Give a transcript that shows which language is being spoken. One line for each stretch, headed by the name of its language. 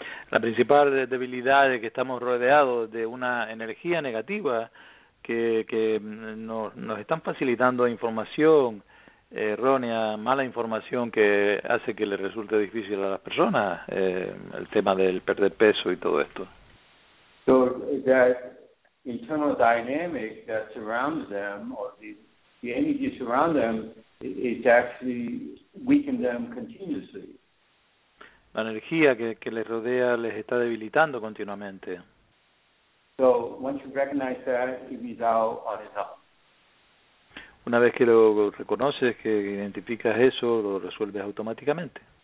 Spanish: La principal debilidad es que estamos rodeados de una energía negativa que nos están facilitando información errónea, mala información que hace que le resulte difícil a las personas el tema del perder peso y todo esto.
English: So that internal dynamic that surrounds them, or the energy surrounds them, it actually weakens them continuously.
Spanish: La energía que les rodea les está debilitando continuamente.
English: So once you recognize that, it means out on its own.
Spanish: Una vez que lo reconoces, que identificas eso, lo resuelves automáticamente.